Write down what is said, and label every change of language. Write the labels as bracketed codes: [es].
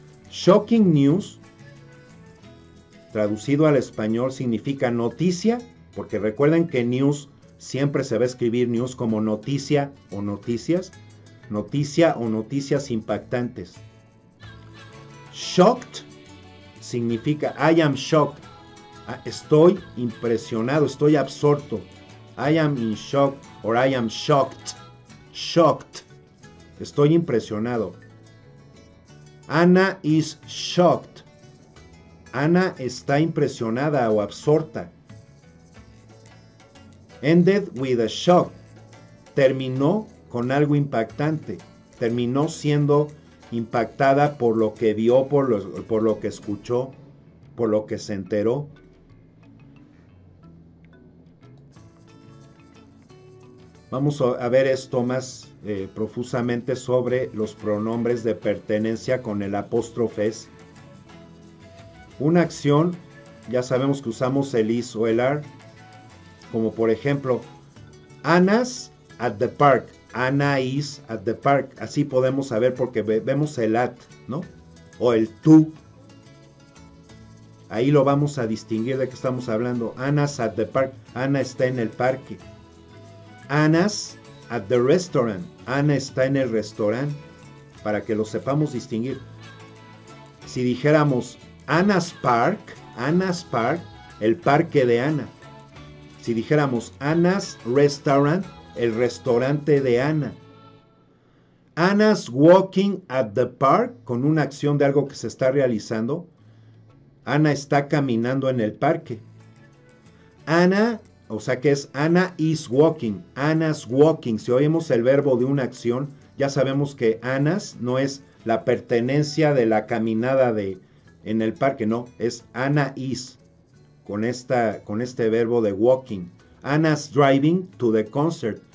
[es] Shocking news, traducido al español, significa noticia, porque recuerden que news siempre se va a escribir news como noticia o noticias. Noticia o noticias impactantes. Shocked significa [en] I am shocked. [es] Estoy impresionado, estoy absorto. [en] I am in shock or I am shocked. Shocked. [es] Estoy impresionado. [en] Anna is shocked. [es] Anna está impresionada o absorta. [en] Ended with a shock. [es] Terminó con algo impactante. Terminó siendo impactada por lo que vio, por lo que escuchó, por lo que se enteró. Vamos a ver esto más profusamente sobre los pronombres de pertenencia con el apóstrofes. Una acción, ya sabemos que usamos el is o el are, como por ejemplo, [en] Anna's at the park. Anna is at the park. [es] Así podemos saber porque vemos el at, ¿no? O el to. Ahí lo vamos a distinguir de qué estamos hablando. [en] Anna's at the park. [es] Anna está en el parque. [en] Anna's at the restaurant. [es] Anna está en el restaurante. Para que lo sepamos distinguir. Si dijéramos [en] Anna's park, Anna's park, [es] el parque de Anna. Si dijéramos Anna's restaurant, el restaurante de Anna. [en] Anna's walking at the park, [es] con una acción de algo que se está realizando. Anna está caminando en el parque. Anna, o sea que es [en] Anna is walking, Anna's walking. [es] Si oímos el verbo de una acción, ya sabemos que Anna's no es la pertenencia de la caminada de en el parque, no, es Anna is, con este verbo de walking. [en] Anna's driving to the concert.